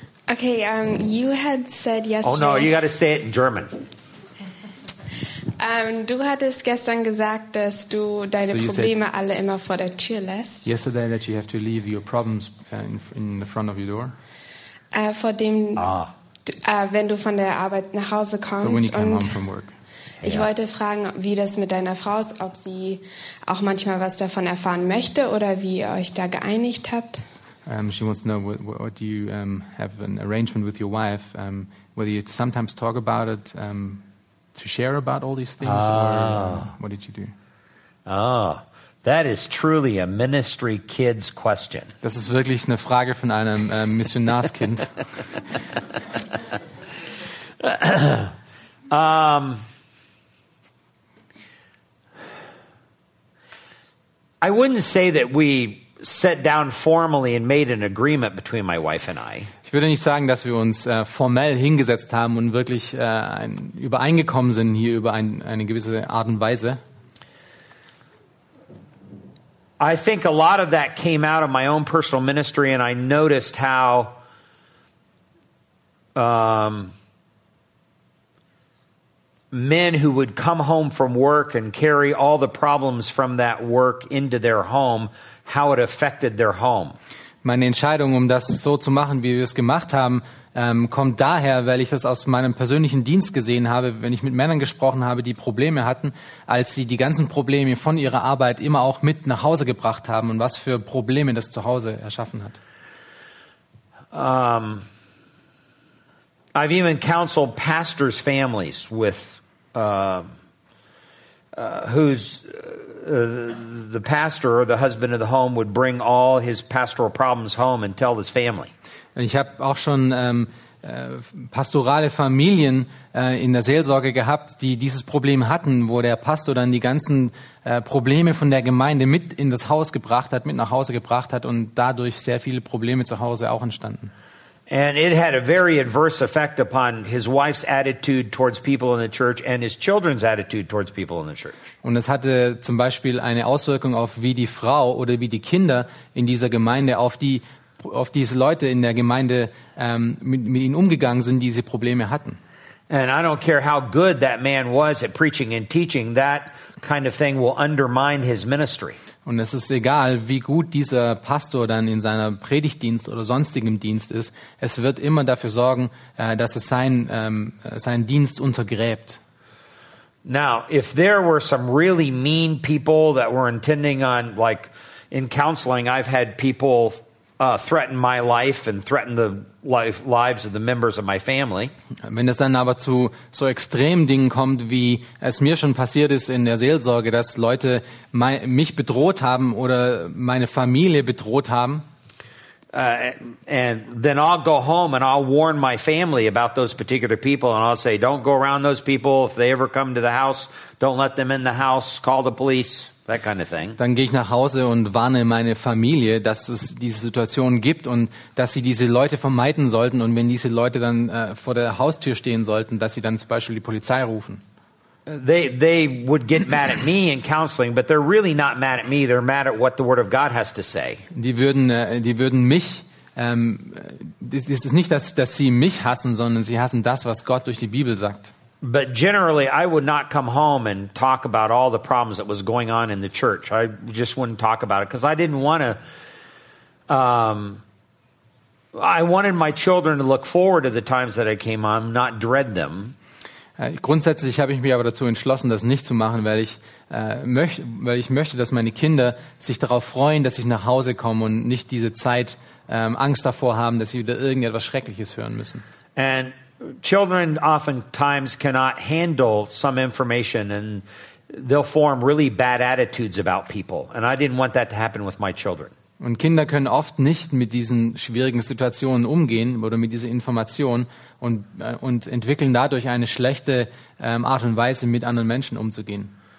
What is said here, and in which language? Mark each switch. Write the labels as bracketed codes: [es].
[en] Okay, you had said yesterday. Oh no, you got to say it in German. [de] Du hattest gestern gesagt, dass du deine Probleme alle immer vor der Tür lässt. [en] Yesterday that you have to leave your problems in the front of your door. [de] Wenn du von der Arbeit nach Hause kommst. [en] So when you come home from work. [de] Ich wollte fragen, wie das mit deiner Frau ist, ob sie auch manchmal was davon erfahren möchte oder wie ihr euch da geeinigt habt. [en] She wants to know what do you have an arrangement with your wife, whether you sometimes talk about it, to share about all these things, or what did you do? Ah, that is truly a ministry kid's question. [de] Das ist wirklich eine Frage von einem Missionarskind. [en] I wouldn't say that we sat down formally and made an agreement between my wife and I. [de] Ich würde nicht sagen, dass wir uns formell hingesetzt haben und wirklich übereingekommen sind hier über eine gewisse Art und Weise. [en] I think a lot of that came out of my own personal ministry, and I noticed how men who would come home from work and carry all the problems from that work into their home, how it affected their home. [de] Meine Entscheidung, um das so zu machen, wie wir es gemacht haben, kommt daher, weil ich das aus meinem persönlichen Dienst gesehen habe, wenn ich mit Männern gesprochen habe, die Probleme hatten, als sie die ganzen Probleme von ihrer Arbeit immer auch mit nach Hause gebracht haben und was für Probleme das zu Hause erschaffen hat. [en] I've even counseled pastors' families with the pastor or the husband of the home would bring all his pastoral problems home and tell his family. [de] Und ich habe auch schon pastorale Familien in der Seelsorge gehabt, die dieses Problem hatten, wo der Pastor dann die ganzen Probleme von der Gemeinde mit in das Haus gebracht hat, mit nach Hause gebracht hat und dadurch sehr viele Probleme zu Hause auch entstanden. [en] And it had a very adverse effect upon his wife's attitude towards people in the church and his children's attitude towards people in the church. [de] Und es hatte zum Beispiel eine Auswirkung auf wie die Frau oder wie die Kinder in dieser Gemeinde auf diese Leute in der Gemeinde mit ihnen umgegangen sind, diese Probleme hatten. [en] And I don't care how good that man was at preaching and teaching, that kind of thing will undermine his ministry. [de] Und es ist egal, wie gut dieser Pastor dann in seiner Predigtdienst oder sonstigem Dienst ist, es wird immer dafür sorgen, dass es seinen Dienst untergräbt. [en] Now, if there were some really mean people that were intending on, like in counseling, I've had people threaten my life and threaten the lives of the members of my family. [de] Wenn es dann aber zu so extremen Dingen kommt, wie es mir schon passiert ist in der Seelsorge, dass Leute mich bedroht haben oder meine Familie bedroht haben. [en] And then I'll go home and I'll warn my family about those particular people and I'll say, don't go around those people. If they ever come to the house, don't let them in the house, call the police. That kind of thing. [de] Dann gehe ich nach Hause und warne meine Familie, dass es diese Situation gibt und dass sie diese Leute vermeiden sollten und wenn diese Leute dann vor der Haustür stehen sollten, dass sie dann zum Beispiel die Polizei rufen. [en] They would get mad at me in counseling, but they're really not mad at me. They're mad at what the Word of God has to say. [de] Die würden mich. Es ist nicht, dass sie mich hassen, sondern sie hassen das, was Gott durch die Bibel sagt. [en] But generally, I would not come home and talk about all the problems that was going on in the church. I just wouldn't talk about it because I didn't want to. I wanted my children to look forward to the times that I came home, not dread them. [de] Grundsätzlich habe ich mich aber dazu entschlossen, das nicht zu machen, weil ich möchte, dass meine Kinder sich darauf freuen, dass ich nach Hause komme und nicht diese Zeit Angst davor haben, dass sie wieder irgendetwas Schreckliches hören müssen. [en] And children oftentimes cannot handle some information and they'll form really bad attitudes about people. And I didn't want that to happen with my children. [de] Und Kinder können oft nicht mit diesen schwierigen Situationen umgehen oder mit dieser Information und entwickeln dadurch eine schlechte Art und Weise, mit anderen Menschen umzugehen.